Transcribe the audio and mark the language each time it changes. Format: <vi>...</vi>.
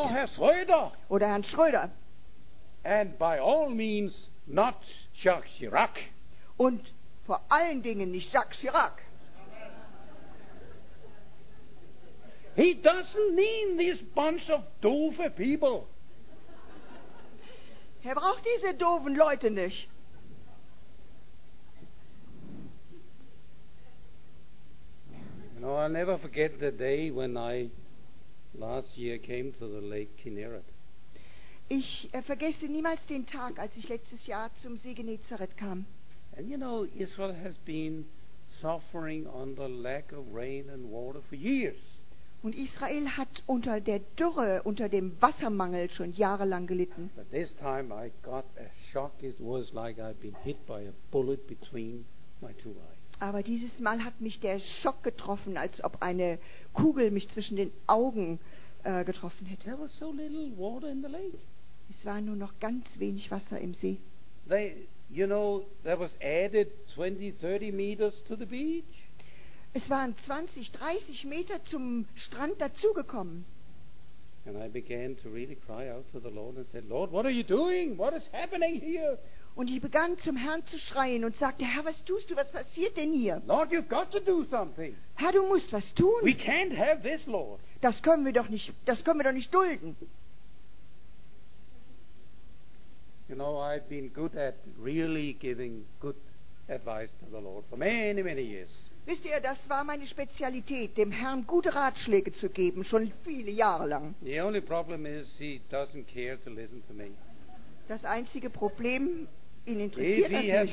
<de>Oh, Herr Schröder. Oder Herrn Schröder.</de> <en>And by all means not Jacques Chirac.</en> <de>Und vor allen Dingen nicht Jacques Chirac.</de> <en>He doesn't mean this bunch of doofe people.</en> <de>Er braucht diese doofen Leute nicht.</de> <en>You know, I'll never forget the day when I last year came to the Lake Kinneret.</en> <de>Ich vergesse niemals den Tag, als ich letztes Jahr zum See Genezareth kam.</de> <en>And you know, Israel has been suffering under lack of rain and water for years.</en> <de>Und Israel hat unter der Dürre, unter dem Wassermangel schon jahrelang gelitten.</de> <en>But this time I got a shock. It was like I'd been hit by a bullet between my two eyes.</en> <de>Aber dieses Mal hat mich der Schock getroffen, als ob eine Kugel mich zwischen den Augen getroffen hätte.</de> <en>There was so little water in the lake.</en> <de>Es war nur noch ganz wenig Wasser im See.</de> <en>They, you know, there was added 20, 30 meters to the beach.</en> <de>Es waren 20, 30 Meter zum Strand dazugekommen.</de> <en>And I began to really cry out to the Lord and said, Lord, what are you doing? What is happening here?</en> <de>Und ich begann zum Herrn zu schreien und sagte, Herr, was tust du? Was passiert denn hier?</de> <en>Lord, you've got to do something.</en> <de>Herr, du musst was tun.</de> <en>We can't have this, Lord.</en> <de>Das können wir doch nicht, das können wir doch nicht dulden.</de> <en>You know, I've been good at really giving good advice to the Lord for many, many years.</en> <de>Wisst ihr, das war meine Spezialität, dem Herrn gute Ratschläge zu geben, schon viele Jahre lang.</de> <en>The only problem is, he doesn't care to listen to me.</en> <de>Das einzige Problem, ihn interessiert das nicht.</de>